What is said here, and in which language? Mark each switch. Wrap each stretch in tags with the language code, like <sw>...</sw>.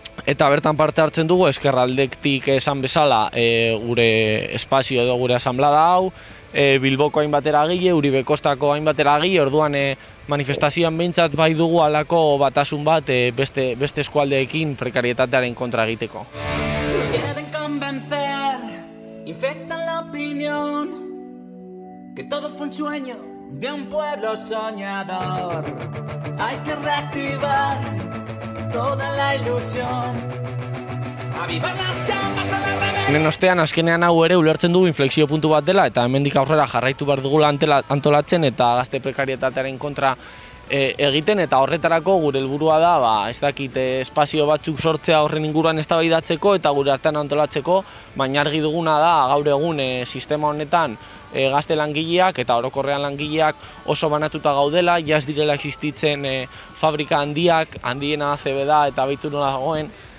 <eu>Eta bertan parte hartzen dugu ezkerraldetik esan bezala gure espazio edo gure asamblada hau, Bilboko hainbat eragile, Uribe Kostako hainbat eragile, orduan manifestazioan behintzat bai dugu alako batasun bat beste eskualdeekin prekarietatearen kontra egiteko.</eu> <es>Los quieren convencer, infectan la opinión, que todo fue un sueño de un pueblo soñador. Hay que reactivar toda la ilusión. Avivar las llamas de la rebelión.</es> <eu>Nen ostean azkenean hau ere ulertzen dugu inflexio puntu bat dela eta hemendik aurrera jarraitu behar dugula antolatzen eta gazte prekarietatearen kontra egiten eta horretarako gure helburua da, ez dakit, espazio batzuk sortzea horren inguruan eztabaidatzeko eta gure artean antolatzeko, baina argi duguna da gaur egun sistema honetan gazte langileak eta orokorrean langileak oso banatuta gaudela, ja ez direla existitzen fabrika handiak, handiena ACB da eta baitu nola dagoen,</eu>